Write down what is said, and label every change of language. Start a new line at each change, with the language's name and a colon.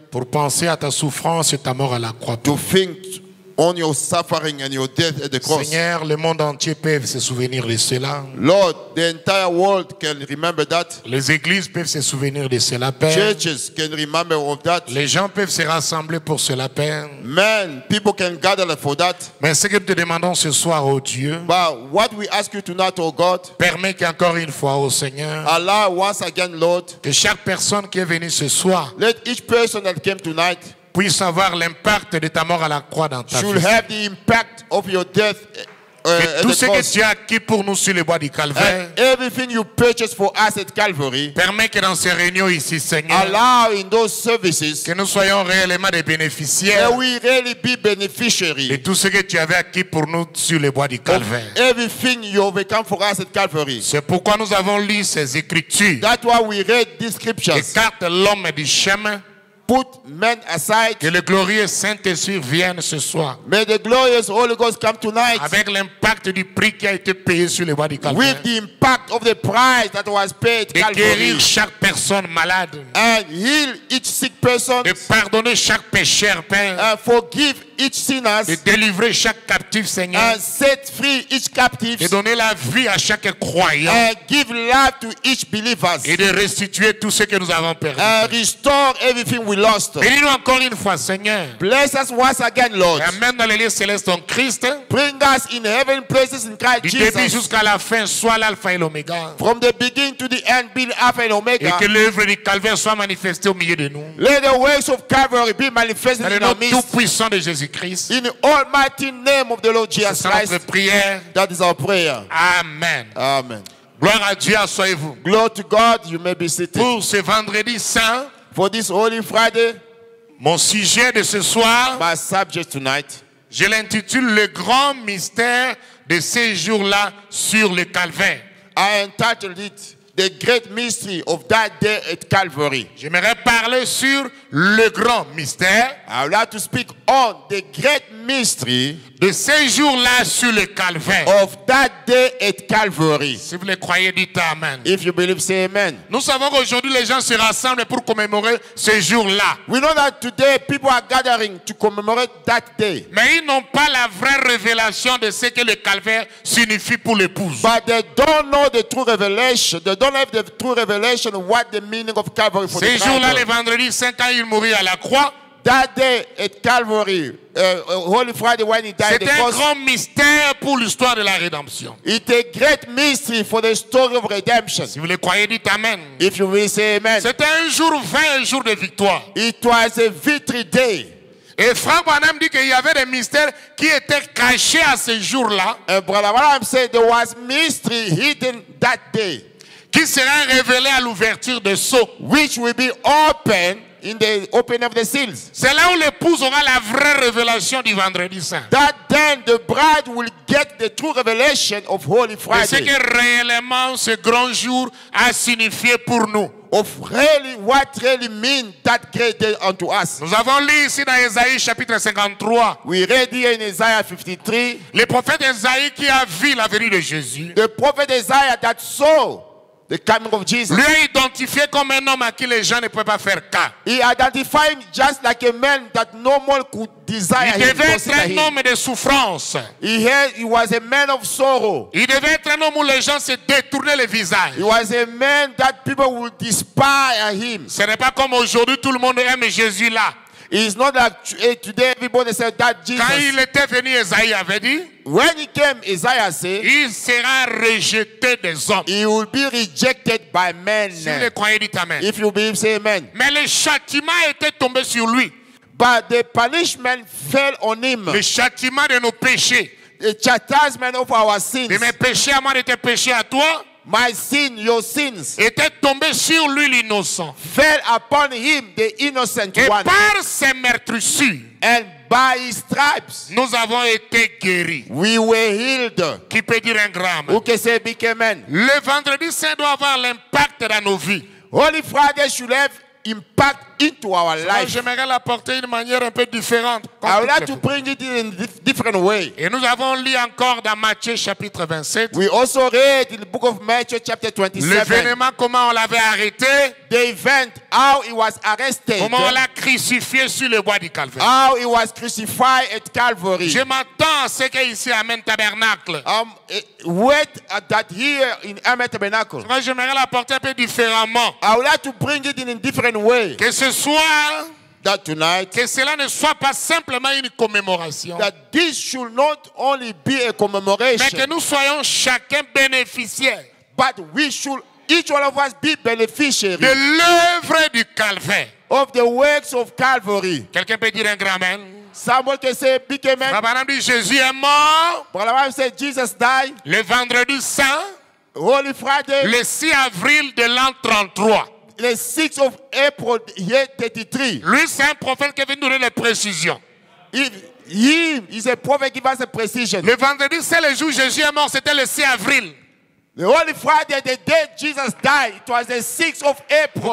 French: Pour penser à ta souffrance et ta mort à la croix.
English: To think on your suffering and your death at the cross.
French: Seigneur, le monde entier peut se souvenir de cela.
English: Lord, the entire world can remember that.
French: Les églises peuvent se souvenir de cela, Père.
English: Churches can remember of that.
French: Les gens peuvent se rassembler pour cela, Père.
English: Men, people can gather for that.
French: Mais ce que nous te demandons ce soir, oh Dieu.
English: But what we ask you tonight, oh God.
French: Permet qu'encore une fois, oh Seigneur.
English: Allow once again, Lord.
French: Que chaque personne qui est venue ce soir.
English: Let each person that came tonight.
French: Puisse avoir l'impact de ta mort à la croix dans ta
English: should
French: vie.
English: Have the impact of your death,
French: et tout ce que tu as acquis pour nous sur le bois du calvaire.
English: Everything you purchased for us at Calvary.
French: Permet que dans ces réunions ici, Seigneur,
English: allow in those services,
French: que nous soyons réellement des bénéficiaires.
English: We really be beneficiaries.
French: Et tout ce que tu avais acquis pour nous sur le bois du calvaire.
English: Of everything you have come for us at Calvary.
French: C'est pourquoi nous avons lu ces écritures.
English: That's why we read these scriptures.
French: Écarte l'homme du chemin.
English: Put men aside.
French: Que le glorieux Saint-Esprit vienne ce soir.
English: May the glorious Holy Ghost come tonight.
French: Avec l'impact du prix qui a été payé sur le bois du calvaire.
English: With the impact of the price that was paid.
French: De guérir chaque personne malade.
English: And heal each sick person.
French: De pardonner chaque pécheur, Père.
English: Forgive each sinner,
French: de délivrer chaque captif, Seigneur,
English: and set free each captive,
French: de donner la vie à chaque croyant,
English: and give life to each believer,
French: et de restituer tout ce que nous avons perdu,
English: and restore everything we lost.
French: Bénis-nous encore une fois, Seigneur.
English: Bless us once again, Lord.
French: Amen dans les lieux célestes en Christ.
English: Bring us in heaven places in Christ Jesus.
French: Du début jusqu'à la fin, soit l'alpha et l'oméga.
English: From the beginning to the end, be alpha and omega.
French: Et que l'œuvre du calvaire soit manifestée au milieu de nous.
English: Let the works of Calvary be manifested in our midst.
French: Tout puissant de Jésus-Christ.
English: In the almighty name of the Lord Jesus Christ.
French: C'est notre prière.
English: That is our prayer.
French: Amen.
English: Amen.
French: Gloire à Dieu, soyez-vous.
English: Glory to God, you may be seated.
French: Pour ce vendredi saint,
English: for this Holy Friday,
French: mon sujet de ce soir,
English: my subject tonight,
French: je l'intitule le grand mystère de ces jours-là sur le calvaire.
English: I entitled it the great mystery of that day at Calvary.
French: J'aimerais parler sur le grand mystère.
English: I would like to speak on the great mystery
French: de ces jours-là sur le calvaire.
English: Of that day at Calvary.
French: Si vous le croyez, dites amen.
English: If you believe, say amen.
French: Nous savons qu'aujourd'hui les gens se rassemblent pour commémorer ces jours-là.
English: We know that today people are gathering to commemorate that day.
French: Mais ils n'ont pas la vraie révélation de ce que le calvaire signifie pour l'épouse.
English: But they don't know the true revelation. They don't have the true revelation of what the meaning of Calvary for
French: ces
English: the
French: ces jours-là, les vendredis, saint, quand il mourut à la croix.
English: That day at Calvary, Holy Friday when he died,
French: c'était un grand mystère pour l'histoire de la rédemption.
English: It's a great mystery for the story of redemption.
French: Si vous le croyez, dites amen.
English: If you will say amen.
French: C'était un jour vain, un jour de victoire.
English: It was a victory day.
French: Et Frank Branham dit qu'il y avait des mystères qui étaient cachés à ce jour-là.
English: And Brother Branham said there was mystery hidden that day,
French: qui sera révélé à l'ouverture des sceaux,
English: which will be open in the opening of the seals.
French: C'est là où l'épouse aura la vraie révélation du vendredi saint.
English: That then the bride will get the true revelation of Holy Friday.
French: Et ce que réellement ce grand jour a signifié pour nous.
English: Of really what really mean that great day unto us.
French: Nous avons lu ici dans Esaïe chapitre 53.
English: We read here in Isaiah 53.
French: Le prophète Esaïe qui a vu la venue de Jésus.
English: The prophet Isaiah that saw the coming of Jesus.
French: Lui a identifié comme un homme à qui les gens ne pouvaient pas faire cas.
English: He identified just like a man that no one could desire.
French: Il devait être un homme de souffrance.
English: He was a man of sorrow.
French: Il devait être un homme où les gens se détournaient le visage.
English: He was a man that people would despise him.
French: Ce n'est pas comme aujourd'hui tout le monde aime Jésus là.
English: It's not like today everybody said that Jesus.
French: Quand il était venu, Esaïe avait dit.
English: When he came, Isaiah said,
French: il sera rejeté des hommes.
English: He will be rejected by men.
French: Si vous le croyez, dites amen.
English: If you believe, say amen.
French: Mais le châtiment était tombé sur lui.
English: But the punishment fell on him.
French: Le châtiment de nos péchés.
English: The chastisement of our sins.
French: De mes péchés à moi, de tes péchés à toi.
English: My sin, your sins,
French: était tombé sur lui l'innocent.
English: Fell upon him, the innocent
French: et
English: one.
French: Et par ses meurtrissures.
English: And by his stripes,
French: nous avons été guéris.
English: We were healed.
French: Qui peut dire un grand
English: amen? Who can say big amen?
French: Le vendredi saint doit avoir l'impact dans nos vies.
English: Holy Friday should have impact into our life.
French: J'aimerais l'apporter d'une manière un peu différente.
English: I would like to bring it in a different way.
French: Et nous avons lu encore dans Matthieu chapitre 27.
English: We also read in the book of Matthew chapter 27.
French: L'événement, comment on l'avait arrêté.
English: The event, how he was arrested.
French: Comment on l'a crucifié sur le bois du calvaire.
English: How he was crucified at Calvary.
French: Je m'attends à ce qu'il y ait ici à Amen Tabernacle.
English: Wait at that here in Amen Tabernacle.
French: Moi, j'aimerais l'apporter un peu différemment.
English: I would like to bring it in a different way.
French: Que ce soit
English: that tonight,
French: que cela ne soit pas simplement une commémoration,
English: that this should not only be a commemoration,
French: mais que nous soyons chacun bénéficiaires,
English: but we should each one of us be beneficiaries,
French: de l'œuvre du calvaire,
English: of the works of Calvary.
French: Quelqu'un peut dire un grand amen? Samuel que c'est big amen. Madame dit Jésus est mort.
English: Madame said Jesus died.
French: Le vendredi saint,
English: Holy Friday,
French: le 6 avril de l'an 33.
English: The 6th of April, year 33.
French: Lui, c'est un prophète qui vient nous donner les précisions.
English: He is a prophet giving us a precision.
French: Le vendredi, c'est le jour Jésus est mort, c'était le 6 avril.
English: The Holy Friday, the day Jesus died, it was the 6th of April.